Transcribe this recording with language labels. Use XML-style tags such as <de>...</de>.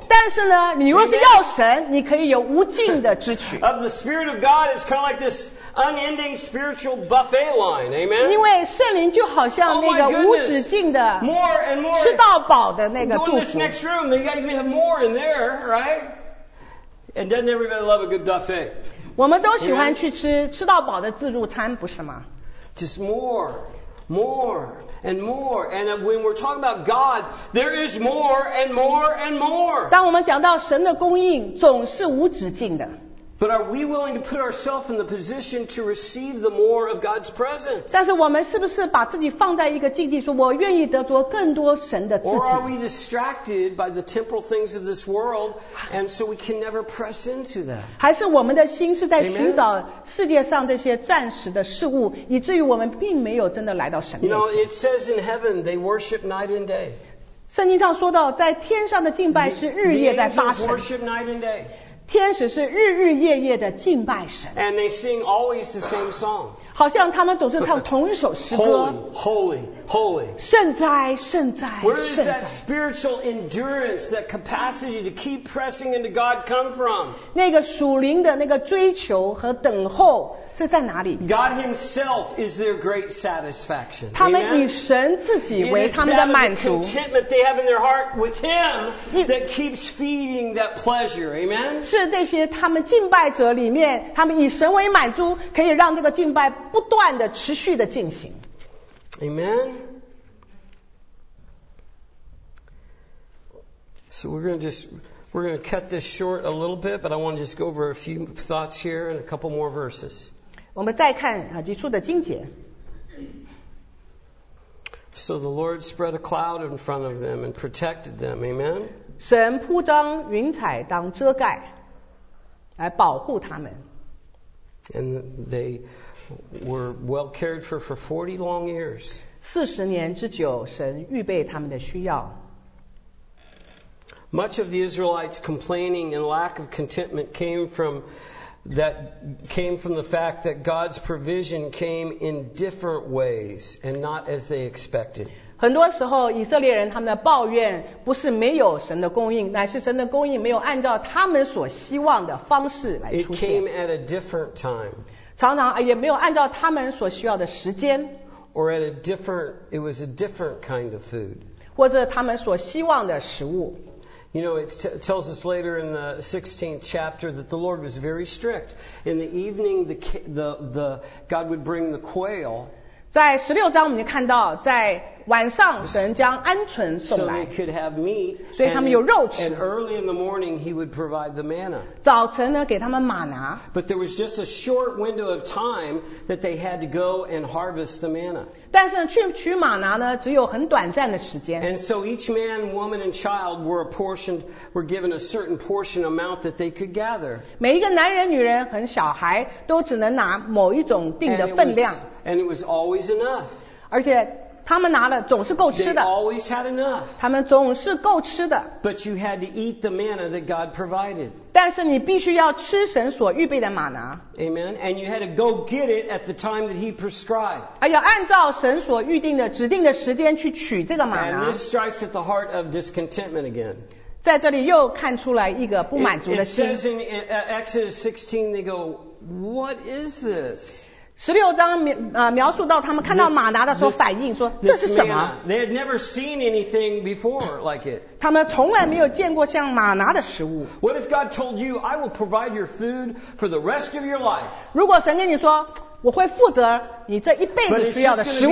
<zh>但是呢，你若是要神，你可以有无尽的支取。</zh> <en>Of the Spirit of God is kind of like this unending spiritual buffet line, amen.</en> <zh>因为圣灵就好像那个无止境的吃到饱的那个祝福。</zh> <en>Go in this next room, they got to even have more in there, right? And doesn't everybody love a good buffet?</en> <zh>我们都喜欢去吃到饱的自助餐，不是吗？</zh> <en>Just more. More and more, and when we're talking about God, there is more and more and more.</en> <zh>当我们讲到神的供应，总是无止境的。</zh> <en>But are we willing to put ourselves in the position to receive the more of God's presence?</en> <zh>但是我们是不是把自己放在一个境地，说我愿意得着更多神的自己？</zh> <en>Or are we distracted by the temporal things of this world, and so we can never press into that?</en> <zh>还是我们的心是在寻找世界上这些暂时的事物，以至于我们并没有真的来到神面前？</zh> <en>You know, it says in heaven they worship night and day.</en> <zh>圣经上说到，在天上的敬拜是日夜在发神。</zh> <en>The angels worship night and day.</en> <zh>天使是日日夜夜的敬拜神。</zh> <en>And they sing always the same song.</en> <zh>好像他们总是唱同一首诗歌。</zh> <en>Holy, holy, holy.</en> <zh>圣哉，圣哉，圣哉。</zh> <en>Where is that spiritual endurance, that capacity to keep pressing into God come from?</en> <zh>那个属灵的那个追求和等候是在哪里？</zh> <en>God himself is their great satisfaction.</en> <zh>他们以神自己为他们的满足。</zh> <en>It is that contentment they have in their heart with him that keeps feeding that pleasure. Amen?</en> <zh>是这些他们敬拜者里面，他们以神为满足，可以让这个敬拜不断的持续的进行。</zh> <en>Amen. So we're going to cut this short a little bit, but I want to just go over a few thoughts here and a couple more verses.</en> <zh>我们再看几处的经节。</zh> <en>So the Lord spread a cloud in front of them and protected them. Amen.</en> <zh>神铺张云彩当遮盖。来保护他们。</zh> <en>And they were well cared for 40 long years.</en> <zh>四十年之久，神预备他们的需要。</zh> <en>Much of the Israelites' complaining and lack of contentment came from the fact that God's provision came in different ways and not as they expected.</en> <zh>很多时候以色列人他们的抱怨不是没有神的供应，乃是神的供应没有按照他们所希望的方式来出现。</zh> <en>It came at a different time.</en> <zh>常常也没有按照他们所需要的时间。</zh> <en>Or at a different, it was a different kind of food.</en> <zh>或者他们所希望的食物。</zh> <en>You know, it tells us later in the 16th chapter that the Lord was very strict. In the evening, the God would bring the quail.</en> <zh>在16章我们就看到在晚上神将鹌鹑送来</zh> <en>so they could have meat,</en> <zh>所以他们有肉吃</zh> <en>and early in the morning he would provide the manna.</en> <zh>早晨呢给他们玛拿</zh> <en>but there was just a short window of time that they had to go and harvest the manna.</en> <zh>但是呢去取玛拿呢只有很短暂的时间</zh> <en>and so each man, woman and child were apportioned, were given a certain portion amount that they could gather.</en> <zh>每一个男人女人和小孩都只能拿某一种定的分量</zh> <en>and it was always enough.</en> <zh>而且他们拿的总是够吃的</zh> <en>They always had enough.</en> <zh>他们总是够吃的</zh> <en>But you had to eat the manna that God provided.</en> <zh>但是你必须要吃神所预备的玛拿</zh> <en>Amen. And you had to go get it at the time that he prescribed.</en> <zh>而要按照神所预定的指定的时间去取这个玛拿</zh> <en>And this strikes at the heart of discontentment again.</en> <zh>在这里又看出来一个不满足的心</zh> <en>It says in Exodus 16, they go, what is this?</en> <zh>16章描述到他们看到玛拿的时候反应说</zh> <en>this,</en> <zh>这是什么</zh> <en>manna, They had never seen anything before like it.</en> <zh>他们从来没有见过像玛拿的食物</zh> <en>What if God told you, I will provide your food for the rest of your life?</en> <zh>如果神跟你说我会负责你这一辈子需要的食物</zh>